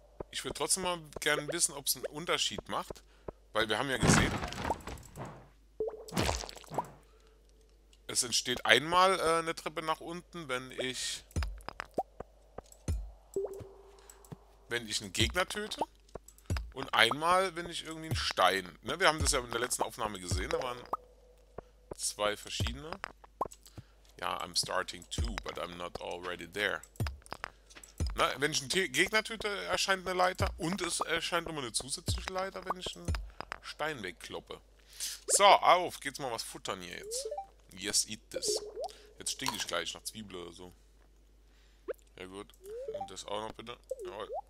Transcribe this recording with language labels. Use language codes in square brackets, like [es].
[de] Ich würde trotzdem mal gerne wissen, ob es einen Unterschied macht. Weil wir haben ja gesehen, es entsteht einmal eine Treppe nach unten, wenn ich einen Gegner töte. Und einmal, wenn ich irgendwie einen Stein. Ne, wir haben das ja in der letzten Aufnahme gesehen. Da waren zwei verschiedene. [en] Ja, I'm starting too, but I'm not already there. [de] Na, wenn ich einen T Gegner töte, erscheint eine Leiter. Und es erscheint immer eine zusätzliche Leiter, wenn ich einen Stein wegkloppe. So, auf geht's mal was futtern hier jetzt. [en] Yes, eat this. [de] Jetzt stinke ich gleich nach Zwiebel oder so. Ja, gut. Und das auch noch bitte. Jawohl.